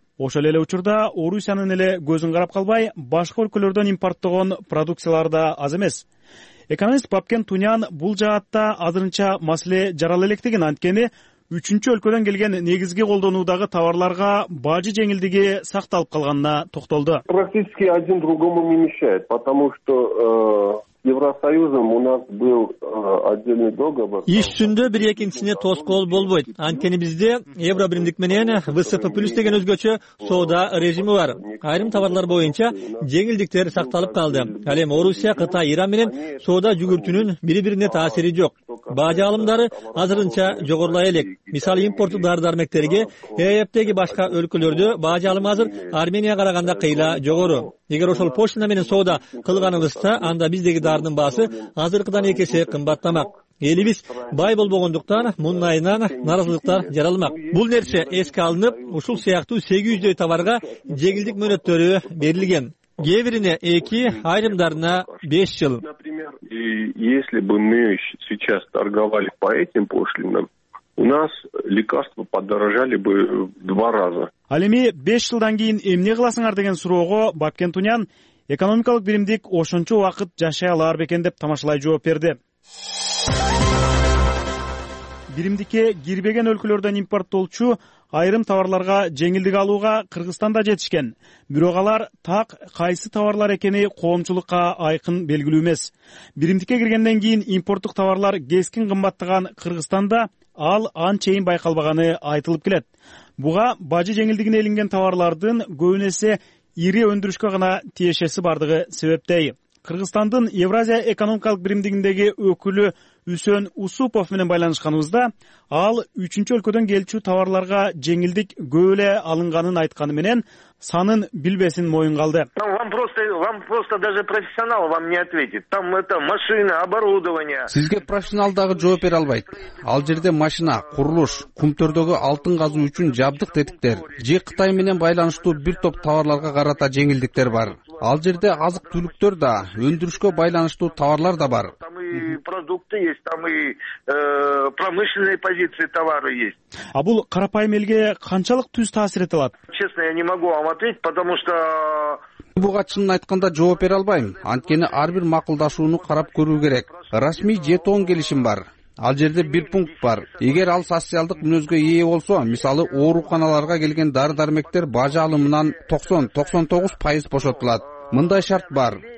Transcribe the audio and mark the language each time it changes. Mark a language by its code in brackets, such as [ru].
[ky] Ошол эле учурда Орусиянын эле көзүн карап калбай, башка өлкөлөрдөн импорттогон продукциялар да аз эмес. Экономист Бабкен Тунян бул жаатта азырынча маселе жарала электигин, анткени үчүнчү өлкөдөн келген негизги колдонуудагы товарларга бажы жеңилдиги сакталып калганына токтолду. [ru] Практически один другому не мешает, потому что Евросоюзом у нас был отдельный договор. [ky] Иш үстүндө бир экинчисине тоскоол болбойт. Анткени бизде Евробиримдик менен ВСФ плюс деген өзгөчө соода режими бар. Айрым товарлар боюнча жеңилдиктер сакталып калды. Ал эми Орусия, Кытай, Иран менен соода жүгүртүүнүн бири бирине таасири жок. Бажы алымдары азырынча жогорулай элек. Мисалы, импорттук дары дармектерге ЭЭПтеги башка өлкөлөрдө бажы алымы азыр Арменияга караганда кыйла жогору. Эгер ошол Польша менен соода кылганыбызда, анда биздеги дарынын баасы азыркыдан 2 эсе кымбаттамак. Элибиз бай болбогондуктан мунайынан нааразылыктар жаралмак. Бул нерсе эске алынып, ушул сыяктуу 800 товарга жеңилдик мөөнөттөрү берилген. Кээбирине 2, айрымдарына 5 жыл. [ru] Например, если бы мы сейчас торговали по этим пошлинам, у нас лекарства подорожали бы в 2 раза. [ky] Ал эми 5 жылдан кийин эмне кыласыңар деген суроого Бабкен Тунян экономикалык биримдик ошончо вакыт жашай алар бекен деп тамашалай жооп берди. Биримдикке кирбеген өлкөлөрдөн импорттолчу айрым товарларга жеңилдик алууга Кыргызстанда жетишкен. Бирок алар так кайсы товарлар экени коомчулукка айкын белгилүү эмес. Биримдикке киргенден кийин импорттук товарлар кескин кымбаттаган Кыргызстанда ал анчейин байкалбаганы айтылып келет. Буга бажы жеңилдигине илинген товарлардын көбүнесе ири өндүрүшкө гана тиешеси бардыгы себептей. Кыргызстандын Евразия экономикалык биримдигиндеги өкүлү Үсөн Усупов менен байланышканыбызда ал үчүнчү өлкөдөн келчү товарларга жеңилдик көп эле алынганын айтканы менен санын билбесин моюнга алды. [ru] Вам просто даже профессионал вам не ответит. Там это машина, оборудование. [ky] Сизге профессионал дагы жооп бере албайт. Ал жерде машина, курулуш, кумтөрдөгү алтын казуу үчүн жабдык тетиктер, же Кытай менен байланыштуу бир топ товарларга карата жеңилдиктер бар. Ал жерде азык-түлүктөр да, өндүрүшкө байланыштуу товарлар да бар. [ru] Там и продукты есть, там и промышленные позиции товары есть. [ky] А бул карапайым элге канчалык түз таасир эте алат? [ru] Честно, я не могу вам ответить, потому что [ky] буга чынын айтканда жооп бере албайм. Анткени ар бир макулдашууну карап көрүү керек. Расмий 7-10 келишим бар. Ал жерде бир пункт бар. Эгер ал социалдык мүнөзгө ээ болсо, мисалы ооруканаларга келген дары-дармектер бажа алымынан 90-99% бошотулат. Мындай шарт бар.